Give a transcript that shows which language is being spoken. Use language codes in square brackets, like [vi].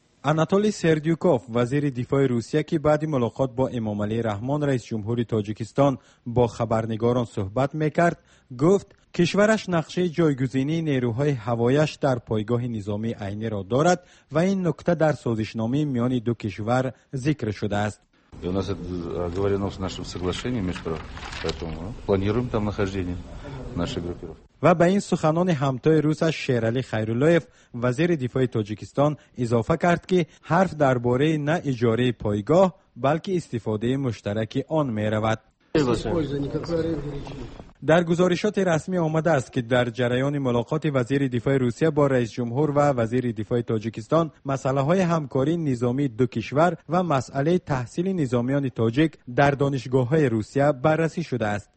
[fa] آناتولی سردیوکوف وزیر دفاع روسیه که بعد ملاقات با امام علی رحمان رئیس جمهوری تاجیکستان با خبرنگاران صحبت میکرد گفت کشورش نقشه جایگزینی نیروهای هوایش در پایگاه نظامی عینی را دارد و این نکته در سازشنامه میان دو کشور ذکر شده است. [ru] И у нас это оговорено с нашим соглашением международным, поэтому планируем там нахождение нашей группировки. [fa] و به این سخنان همتای روسش شیرعلی خیرالایف وزیر دفاع تاجیکستان اضافه کرد که حرف درباره نه اجاره پایگاه بلکه استفاده مشترک آن می رود. در گزارشات رسمی آمده است که در جریان ملاقات وزیر دفاع روسیه با رئیس جمهور و وزیر دفاع تاجیکستان مسئله های همکاری نظامی دو کشور و مسئله تحصیل نظامیان تاجیک در دانشگاه های روسیه بررسی شده است.